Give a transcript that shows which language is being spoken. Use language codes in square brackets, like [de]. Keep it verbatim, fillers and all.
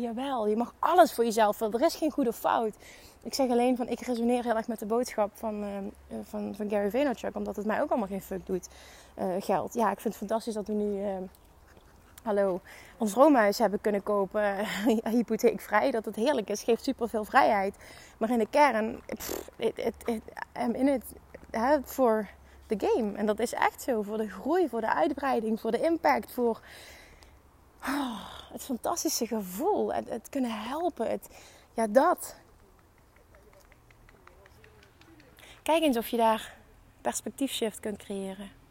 [nl] Jawel, je mag alles voor jezelf willen. Er is geen goed of fout. Ik zeg alleen van, ik resoneer heel erg met de boodschap van, uh, van, van Gary Vaynerchuk, omdat het mij ook allemaal geen fuck doet, uh, geld. Ja, ik vind het fantastisch dat we nu... Uh, Hallo, ons droomhuis hebben kunnen kopen, hypotheekvrij, dat het heerlijk is, geeft superveel vrijheid. Maar in de kern, [en] pff, it, it, it, I'm in it for the game. [nl] En dat is echt zo, voor de groei, voor de uitbreiding, voor de impact, voor oh, het fantastische gevoel, het, het kunnen helpen, het, ja dat. Kijk eens of je daar perspectiefshift kunt creëren.